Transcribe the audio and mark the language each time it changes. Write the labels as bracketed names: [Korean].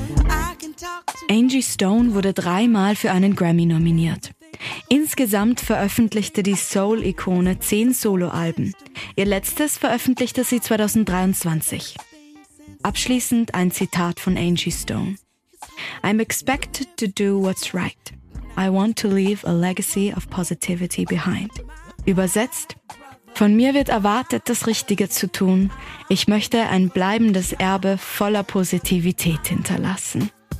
[English] I can talk to [German] Angie Stone wurde dreimal für einen Grammy nominiert. Insgesamt veröffentlichte die Soul-Ikone 10 Soloalben. Ihr letztes veröffentlichte sie 2023. Abschließend ein Zitat von Angie Stone. [English] I'm expected to do what's right. I want to leave a legacy of positivity behind. [German] Übersetzt: Von mir wird erwartet, das Richtige zu tun. Ich möchte ein bleibendes Erbe voller Positivität hinterlassen.